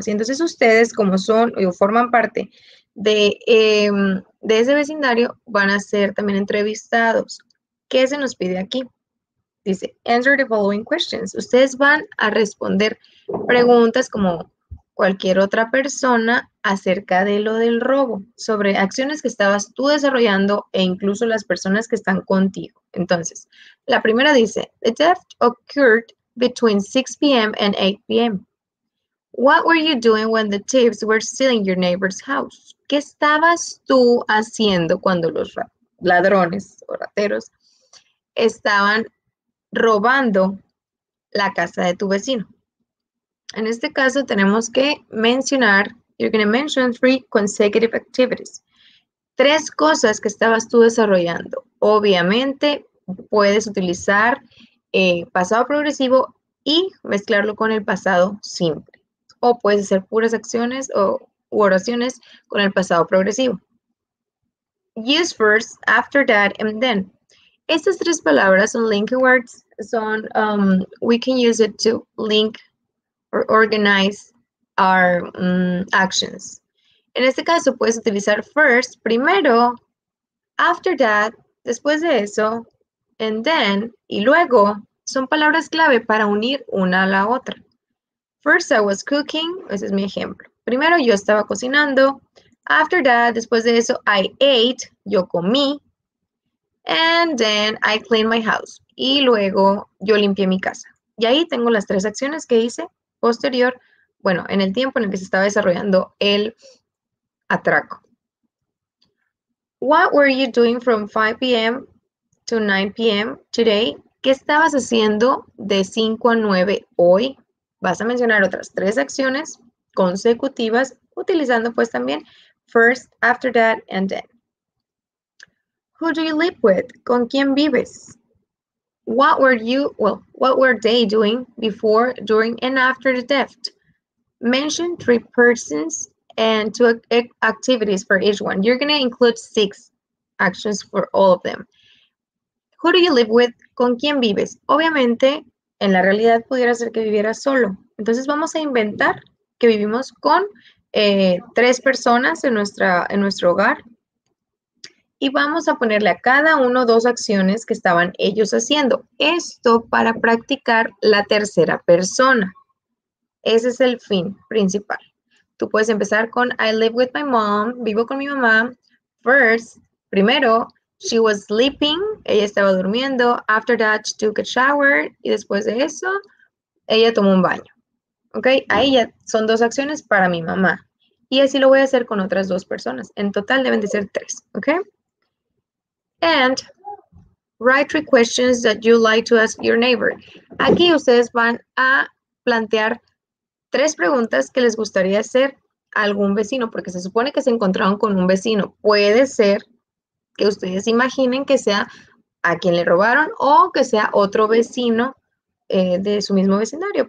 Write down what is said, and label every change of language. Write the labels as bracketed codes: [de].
[es] Pues, y entonces ustedes, como son o forman parte de ese vecindario, van a ser también entrevistados. ¿Qué se nos pide aquí? [en] Dice, answer the following questions. [es] Ustedes van a responder preguntas como cualquier otra persona acerca de lo del robo, sobre acciones que estabas tú desarrollando e incluso las personas que están contigo. Entonces, la primera dice, [en] the theft occurred between 6 p.m. and 8 p.m. What were you doing when the thieves were stealing your neighbor's house? [es] ¿Qué estabas tú haciendo cuando los ladrones o rateros estaban robando la casa de tu vecino? En este caso tenemos que mencionar, [en] you're going to mention three consecutive activities. [es] Tres cosas que estabas tú desarrollando. Obviamente puedes utilizar pasado progresivo y mezclarlo con el pasado simple. O puedes hacer puras acciones o u oraciones con el pasado progresivo. [en] Use first, after that, and then. [es] Estas tres palabras son [en] linking words. Son, we can use it to link or organize our actions. [es] En este caso, puedes utilizar first, primero, after that, después de eso, and then, y luego, son palabras clave para unir una a la otra. [en] First, I was cooking. [es] Ese es mi ejemplo. Primero, yo estaba cocinando. [en] After that, [es] después de eso, [en] I ate. [es] Yo comí. [en] And then I clean my house. [es] Y luego yo limpié mi casa. Y ahí tengo las tres acciones que hice posterior, bueno, en el tiempo en el que se estaba desarrollando el atraco. [en] What were you doing from 5 p.m. to 9 p.m. today? [es] ¿Qué estabas haciendo de 5 a 9 hoy? Vas a mencionar otras tres acciones consecutivas utilizando pues también first, after that, and then. [en] Who do you live with? [es] ¿Con quién vives? [en] What were they doing before, during, and after the theft? Mention three persons and two activities for each one. You're going to include six actions for all of them. Who do you live with? [es] ¿Con quién vives? Obviamente, en la realidad pudiera ser que vivieras solo. Entonces vamos a inventar que vivimos con tres personas en nuestro hogar. Y vamos a ponerle a cada uno dos acciones que estaban ellos haciendo. Esto para practicar la tercera persona. Ese es el fin principal. Tú puedes empezar con [en] I live with my mom. [es] Vivo con mi mamá. [en] First, primero, she was sleeping. [es] Ella estaba durmiendo. [en] After that, she took a shower. [es] Y después de eso, ella tomó un baño. ¿Ok? Ahí ya son dos acciones para mi mamá. Y así lo voy a hacer con otras dos personas. En total deben de ser tres. ¿Ok? [en] And write three questions that you like to ask your neighbor. [es] Aquí ustedes van a plantear tres preguntas que les gustaría hacer a algún vecino, porque se supone que se encontraron con un vecino. Puede ser que ustedes imaginen que sea a quien le robaron o que sea otro vecino de su mismo vecindario.